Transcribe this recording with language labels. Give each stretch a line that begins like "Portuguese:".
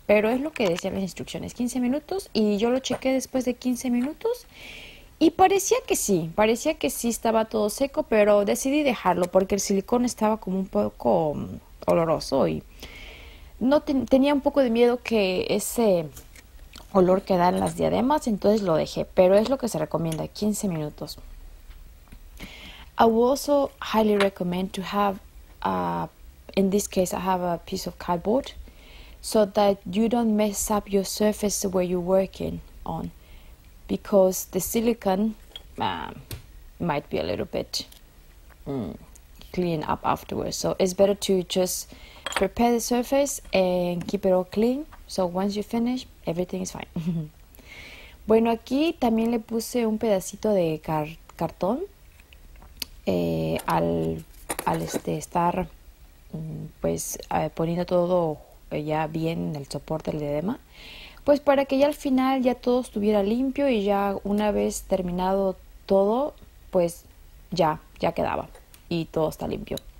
Spanish: Pero es lo que decían las instrucciones, 15 minutos, y yo lo chequé después de 15 minutos, y parecía que sí estaba todo seco, pero decidí dejarlo porque el silicón estaba como un poco oloroso y no tenía un poco de miedo que ese olor que dan las diademas, entonces lo dejé, pero es lo que se recomienda, 15 minutos.
English: I would also highly recommend to have, in this case, I have a piece of cardboard so that you don't mess up your surface where you're working on, because the silicon might be a little bit clean up afterwards. So it's better to just prepare the surface and keep it all clean. So once you finish, everything is fine.
Spanish: Bueno, aquí también le puse un pedacito de cartón poniendo todo ya bien en el soporte del diadema, pues para que ya al final ya todo estuviera limpio y ya una vez terminado todo, pues ya quedaba y todo está limpio.